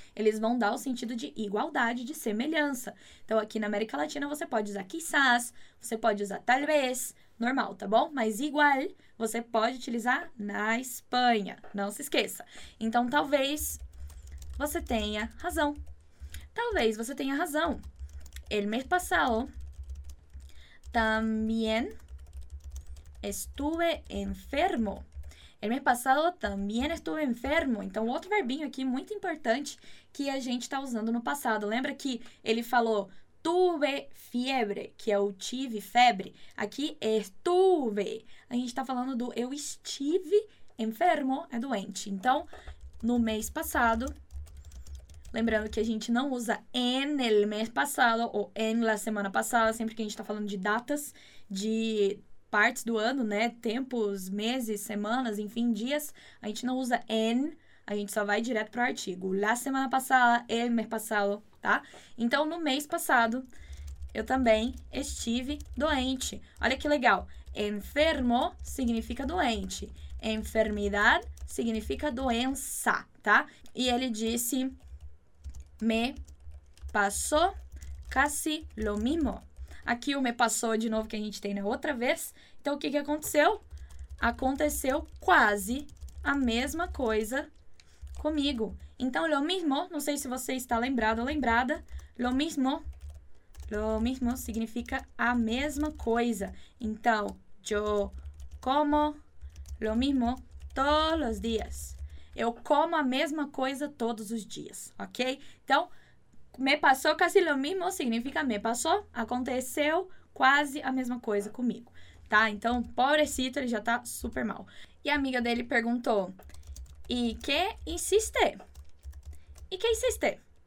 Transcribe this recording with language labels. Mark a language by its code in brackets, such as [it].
[pt] Eles vão dar o sentido de igualdade, de semelhança. Então, aqui na América Latina, você pode usar quizás, você pode usar talvez, normal, tá bom? Mas igual, você pode utilizar na Espanha, não se esqueça. Então, talvez você tenha razão. Talvez você tenha razão. [es] El mes pasado... También estuve enfermo. El mes pasado también estuve enfermo. [pt] Então, outro verbinho aqui muito importante que a gente está usando no passado. Lembra que ele falou tuve fiebre, que é o tive febre? Aqui, estuve. A gente está falando do eu estive enfermo, é doente. Então, no mês passado... Lembrando que a gente não usa [es] en el mes pasado [pt] ou [es] en la semana passada, [pt] sempre que a gente tá falando de datas, de partes do ano, né? Tempos, meses, semanas, enfim, dias. A gente não usa en, a gente só vai direto pro artigo. [es] La semana pasada, el mes pasado, tá? [pt] Então, no mês passado, eu também estive doente. Olha que legal. Enfermo significa doente. Enfermidad significa doença, tá? E ele disse... [es] Me passou casi lo mismo. [pt] Aqui o me passou de novo que a gente tem na outra vez. Então, o que, que aconteceu? Aconteceu quase a mesma coisa comigo. Então, lo mismo, não sei se você está lembrado ou lembrada. Lo mismo Lo mismo significa a mesma coisa. [es] Então, yo como lo mismo todos los días. [pt] Eu como a mesma coisa todos os dias, ok? Então, [es] me passou casi lo mismo [pt] significa me passou, aconteceu quase a mesma coisa comigo, tá? Então, pobrecito, ele já tá super mal. E a amiga dele perguntou, e que insiste? E que insiste?